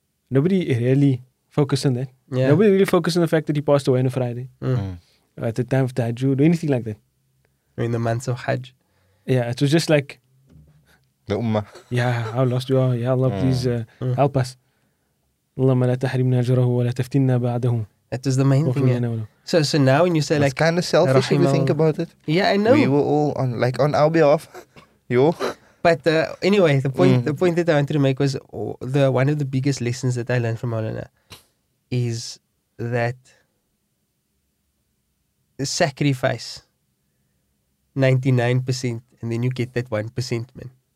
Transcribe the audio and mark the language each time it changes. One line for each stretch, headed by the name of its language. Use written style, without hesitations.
English: Nobody really focused on that. Yeah. Nobody really focused on the fact that he passed away on a Friday. At the time of the Hajj or anything like that. In the months of Hajj. Yeah, it was just like the Ummah. Yeah, how lost you are. Yeah, Allah, please help us.
Arabic: اللهم لا تحرمنا أجره ولا تفتنا بعده.
English: That is the main thing. Yeah. So now when you say it's like, it's kind of selfish if you think about it. Yeah, I know. We were all on like on our behalf. You. But anyway, the point that I wanted to make was one of the biggest lessons that I learned from Maulana is that sacrifice 99% and then you get that 1%, man.